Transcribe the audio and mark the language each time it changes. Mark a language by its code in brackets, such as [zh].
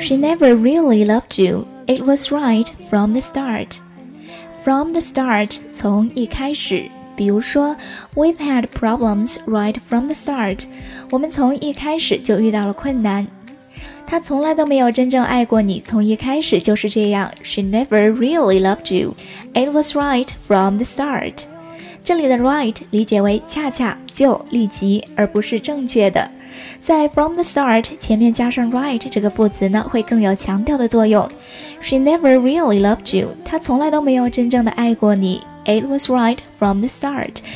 [en] She never really loved you. It was right from the start. From the start, [zh] 从一开始。 比如说 [en] We've had problems right from the start. [zh] 我们从一开始就遇到了困难。他从来都没有真正爱过你，从一开始就是这样。 [en] She never really loved you. It was right from the start. [zh] 这里的 right 理解为恰恰、就、立即，而不是正确的。在 [en] from the start [zh] 前面加上 right 这个副词呢，会更有强调的作用。 [en] She never really loved you. [zh] 他从来都没有真正的爱过你。 [en] It was right from the start.